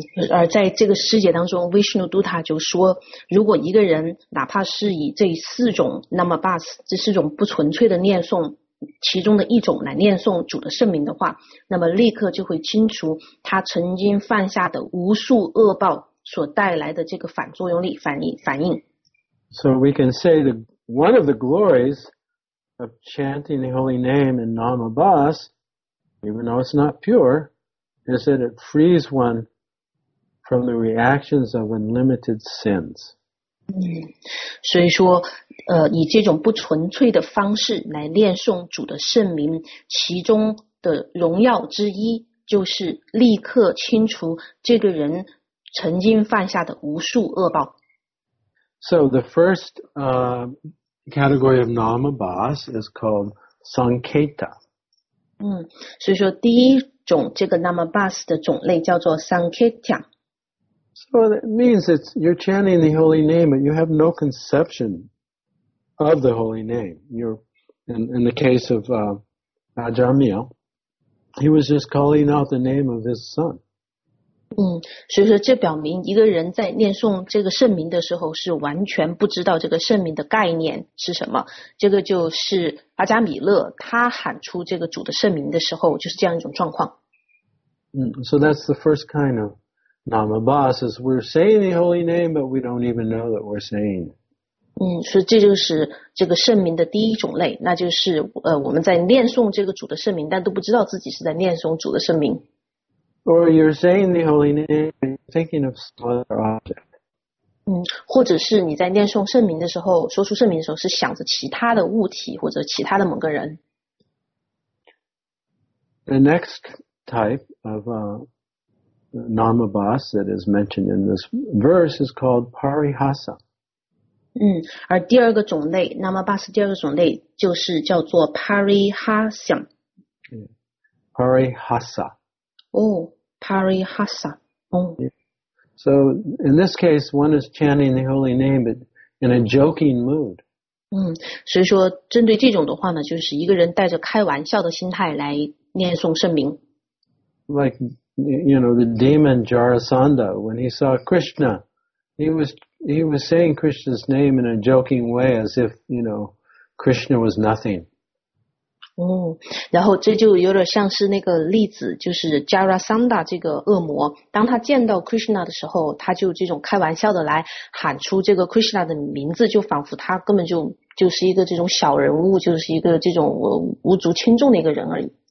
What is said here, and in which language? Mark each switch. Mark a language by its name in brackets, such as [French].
[Chinese] 而在这个世界当中 ，Vishnu Dutta 就说，如果一个人哪怕是以这四种 Namabhas 这四种不纯粹的念诵其中的一种来念诵主的圣名的话，那么立刻就会清除他曾经犯下的无数恶报所带来的这个反作用力反应。 [English] So we can say that one of the glories of chanting the holy name in Namabhas, even though it's not pure, is that it frees one from the reactions of unlimited sins. [Chinese] 所以说以这种不纯粹的方式来念诵主的圣名，其中的荣耀之一就是立刻清除这个人曾经犯下的无数恶报。 [English] So the first category of Namabhas is called Sanketa. [Chinese] 所以说第一种这个 Namabhas 的种类叫做 Sanketa. [English] So that means it's you're chanting the holy name, but you have no conception of the holy name. You're in the case of Ajamiya, he was just calling out the name of his son. [Chinese] 所以说这表明一个人在念诵这个圣名的时候是完全不知道这个圣名的概念是什么，这个就是阿加米勒他喊出这个主的圣名的时候就是这样一种状况。 [English] So that's the first kind of Namabhas is we're saying the holy name but we don't even know that we're saying. [Chinese] 所以这就是这个圣名的第一种类，那就是我们在念诵这个主的圣名但都不知道自己是在念诵主的圣名。 [English] Or you're saying the holy name, thinking of some other object. [Chinese] 或者是你在念诵圣名的时候，说出圣名的时候，是想着其他的物体或者其他的某个人。 [English] The next type of Namabhas that is mentioned in this verse is called Parihasa. [Chinese] 而第二个种类 Namabhas 第二个种类就是叫做 Parihasa. [English] Parihasa. [Chinese] Parihasa. [English] So in this case, one is chanting the holy name, but in a joking mood. [Chinese] 所以说针对这种的话呢，就是一个人带着开玩笑的心态来念诵圣名。 [English] Like, you know, the demon Jarasandha, when he saw Krishna, he was saying Krishna's name in a joking way as if, you know, Krishna was nothing. [Chinese] 然后这就有点像是那个例子，就是 Jarasandha 这个恶魔，当他见到 Krishna 的时候，他就这种开玩笑的来喊出这个 Krishna 的名字，就仿佛他根本就是一个这种小人物，就是一个这种无足轻重的一个人而已。